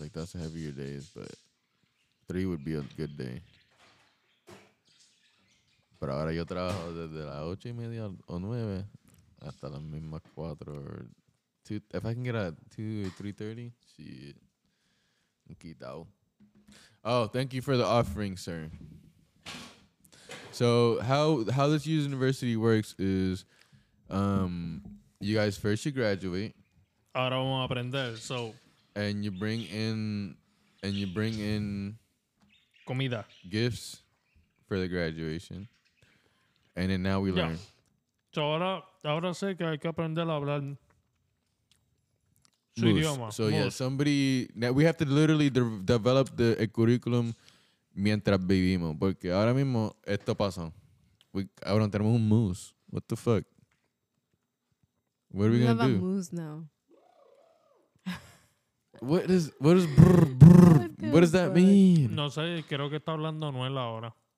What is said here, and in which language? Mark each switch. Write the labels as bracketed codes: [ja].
[en] Like, that's heavier days, but 3 would be a good day. [es] Pero ahora yo trabajo desde las 8 y media o 9 hasta las mismas 4. [en] Or two. If I can get a 2 or 3:30, shit. [es] Un quitao. [en] Oh, thank you for the offering, sir. So how this university works is you guys first you graduate. [es] Ahora vamos a aprender. [en] So and you bring in [es] comida. [en] Gifts for the graduation. And then now we learn. So [es] ahora sé que hay que aprender a hablar su idioma. [en] So yeah, somebody now we have to literally develop the curriculum. [es] Mientras vivimos, porque ahora mismo esto pasó. Ahora tenemos un moose. [en] What the fuck? What are we gonna do? We have a moose now. What is brr, brr, what does that mean? [es] No sé, creo que está hablando Noel ahora.